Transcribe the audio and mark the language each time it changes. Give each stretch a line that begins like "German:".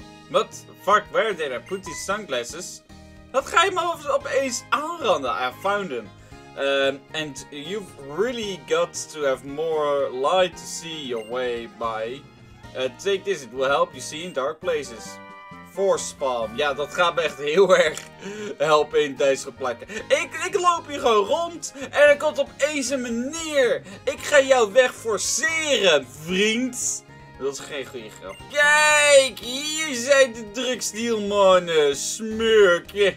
English: What the fuck, where did I put these sunglasses?
Dutch: Wat ga je me opeens aanranden?
English: I found him. And you've really got to have more light to see your way by. Take this, it will help you see in dark places. Forcepalm.
Dutch: Ja, dat gaat me echt heel erg helpen in deze plekken. Ik loop hier gewoon rond en er komt opeens een meneer. Ik ga jou weg forceren, vriend. Dat is geen goede grap. Kijk, hier zijn de drugsdealmannen. Smurk.